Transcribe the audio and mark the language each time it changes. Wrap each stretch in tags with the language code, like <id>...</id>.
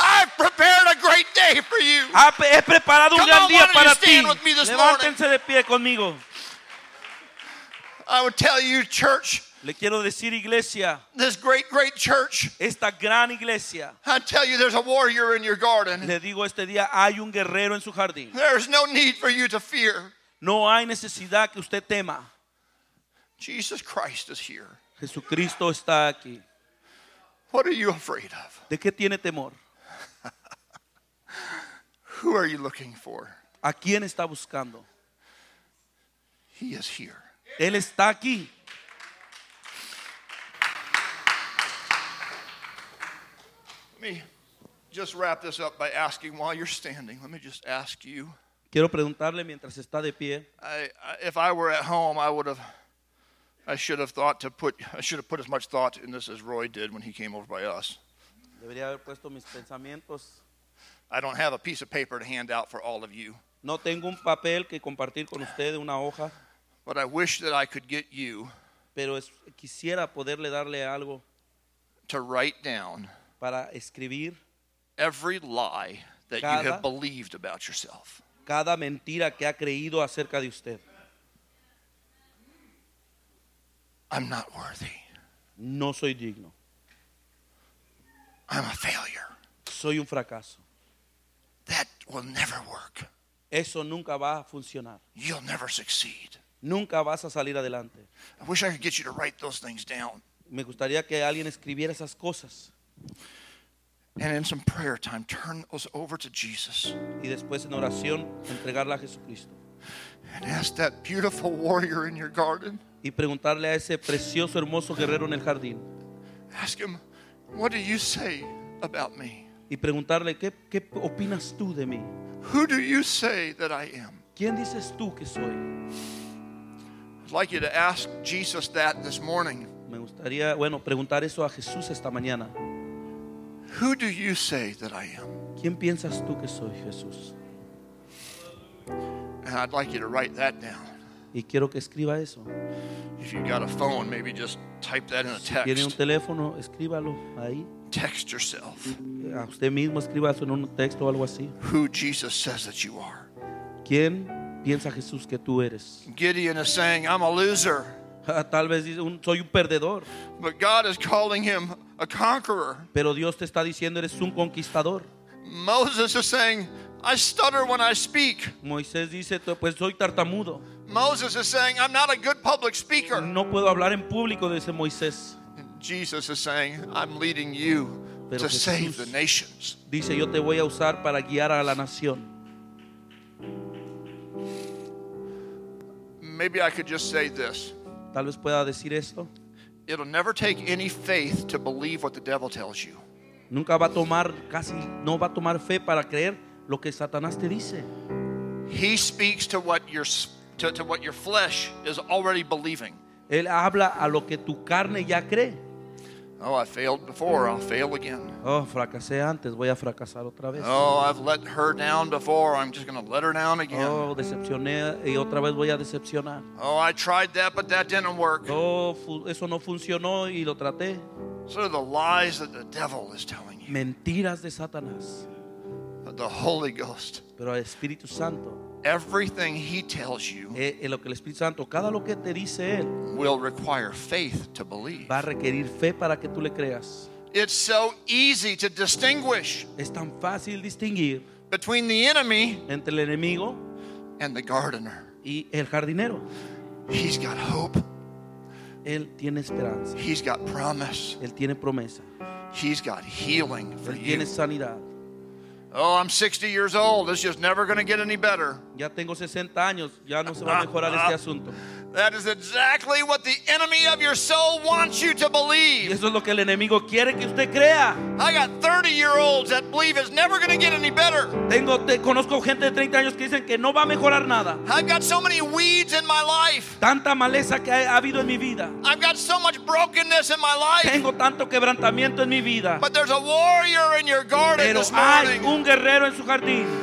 <en>I've prepared a great day for you.</en> <es>He preparado un gran día para ti.</es> <en>Come on, why don't you stand with me this morning?</en> <es>De pie conmigo.</es> <en>I would tell you, church.</en> <es>Le quiero decir, iglesia,</es> <en>this great, great church.</en> <es>Esta gran iglesia.</es> <en>I tell you, there's a warrior in your garden.</en> <es>Le digo este día, hay un guerrero en su jardín.</es> <en>There's no need for you to fear.</en> <es>No hay necesidad que usted tema.</es> <en>Jesus Christ is here.</en> <es>Jesucristo está aquí.</es> <en>What are you afraid of?</en> <es>¿De qué tiene temor?</es> <en>Who are you looking for?</en> <es>¿A quién está buscando?</es> <en>He is here.</en> <es>Él está aquí.</es> <en>Let me just wrap this up by asking while you're standing. Let me just ask you.</en> <es>Quiero preguntarle mientras está de pie.</es> <en>If I were at home, I should have put as much thought in this as Roy did when he came over by us.</en> <es>Debería haber puesto mis pensamientos.</es> <en>I don't have a piece of paper to hand out for all of you.</en> <es>No tengo un papel que compartir con ustedes, una hoja.</es> <en>But I wish that I could get you.</en> <es>Pero quisiera poderle darle algo.</es> <en>To write down.</en> <es>Para escribir</es> <en>every lie that</en> <es>cada,</es> <en>you have believed about yourself.</en> <es>Cada mentira que ha creído acerca de usted.</es> <en>I'm not worthy.</en> <es>No soy digno.</es> <en>I'm a failure.</en> <es>Soy un fracaso.</es> <en>That will never work.</en> <es>Eso nunca va a funcionar.</es> <en>You'll never succeed.</en> <es>Nunca vas a salir adelante.</es> <en>I wish I could get you to write those things down.</en> <es>Me gustaría que alguien escribiera esas cosas.</es> <en>And in some prayer time, turn those over to Jesus.</en> <es>Y después en oración, entregarla a Jesucristo.</es> <en>And ask that beautiful warrior in your garden.</en> <es>Y preguntarle a ese precioso, hermoso guerrero en el jardín.</es> <en>Ask him, what do you say about me?</en> <es>Y preguntarle qué opinas tú de mí.</es> <en>Who do you say that I am?</en> <es>¿Quién dices tú que soy?</es> <en>I'd like you to ask Jesus that this morning.</en> <es>Me gustaría, bueno, preguntar eso a Jesús esta mañana.</es> <en>Who do you say that I am?</en> <es>¿Quién piensas tú que soy, Jesús?</es> <en>And I'd like you to write that down.</en> <es>Y quiero que escriba eso.</es> <en>If you've got a phone, maybe just type that in a text.</en> <es>Si tiene un teléfono, escríbalo ahí.</es> <en>Text yourself.</en> <es>A usted mismo escriba eso en un texto o algo así.</es> <en>Who Jesus says that you are.</en> <es>¿Quién piensa Jesús que tú eres?</es> <en>Gideon is saying, I'm a loser.</en> <es>Tal vez dice, soy un perdedor.</es> <en>But God is calling him a conqueror.</en> <es>Pero Dios te está diciendo, eres un conquistador.</es> <en>Moses is saying, I stutter when I speak.</en> <es>Moisés dice, pues soy tartamudo.</es> <en>Moses is saying, I'm not a good public speaker.</en> <es>No puedo hablar en público, dice Moisés.</es> <en>Jesus is saying, I'm leading you</en> <es>Pero</es> <en>to</en> <es>Jesús</es> <en>save the nations.</en> <es>Dice, yo te voy a usar para guiar a la nación.</es> <en>Maybe I could just say this.</en> <es>Tal vez pueda decir esto.</es> <en>It'll never take any faith to believe what the devil tells you.</en> <es>Nunca va a tomar, casi no va a tomar fe para creer lo que Satanás te dice.</es> <en>He speaks to what your flesh is already believing.</en> <es>Él habla a lo que tu carne ya cree.</es> <en>Oh, I failed before, I'll fail again.</en> <es>Oh, fracasé antes, voy a fracasar otra vez.</es> <en>Oh, I've let her down before, I'm just going to let her down again.</en> <es>Oh, decepcioné y otra vez voy a decepcionar.</es> <en>Oh, I tried that, but that didn't work.</en> <es>Oh, eso no funcionó y lo traté.</es> <en>So the lies that the devil is telling you.</en> <es>Mentiras de Satanás.</es> <en>But the Holy Ghost.</en> <es>Pero el Espíritu Santo</es> <en>Everything he tells you</en> <es>lo que el Espíritu Santo, cada lo que te dice él,</es> <en>will require faith to believe.</en> <es>Va a requerir fe para que tú le creas.</es> <en>It's so easy to distinguish</en> <es>es tan fácil distinguir</es> <en>between the enemy</en> <es>entre el enemigo</es> <en>and the gardener.</en> <es>Y el jardinero.</es> <en>He's got hope.</en> <es>Él tiene esperanza.</es> <en>He's got promise.</en> <es>Él tiene promesa.</es> <en>He's got healing for</en> <es>él tiene sanidad.</es> <en>You. Oh, I'm 60 years old. It's just never going to get any better.</en> <es>Ya tengo 60 años. Ya no se va a mejorar este asunto.</es> <en>That is exactly what the enemy of your soul wants you to believe.</en> <es>Y eso es lo que el enemigo quiere que usted crea.</es> <en>I got 30-year-olds that believe it's never going to get any better.</en> <es>Conozco gente de 30 años que dicen que no va a mejorar nada.</es> <en>I've got so many weeds in my life.</en> <es>Tanta maleza que ha habido en mi vida.</es> <en>I've got so much brokenness in my life.</en> <es>Tengo tanto quebrantamiento en mi vida.</es> <en>But there's a warrior in your garden</en> <es>Pero</es> <en>this morning.</en> <es>Hay un guerrero en su jardín.</es>